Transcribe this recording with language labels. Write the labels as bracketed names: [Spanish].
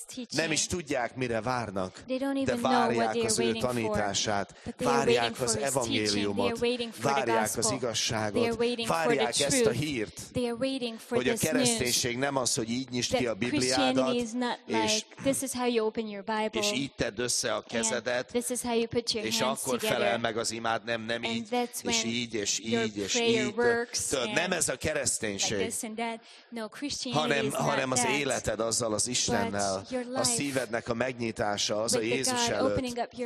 [Hungarian] Nem is tudják, mire várnak, de várják az ő tanítását, várják az evangéliumot, várják az igazságot, várják ezt a hírt, hogy a kereszténység nem az, hogy így nyisd ki a Bibliádat, [English] means not like this is how you open your Bible. [Hungarian] És így tedd össze a kezedet. [English] This is how you put your hands together. [Hungarian] És akkor felel meg az imád, nem így. És így és így és így. Nem ez a kereszténység. Hanem az életed azzal az Istennel, a szívednek a megnyitása az a Jézus előtt.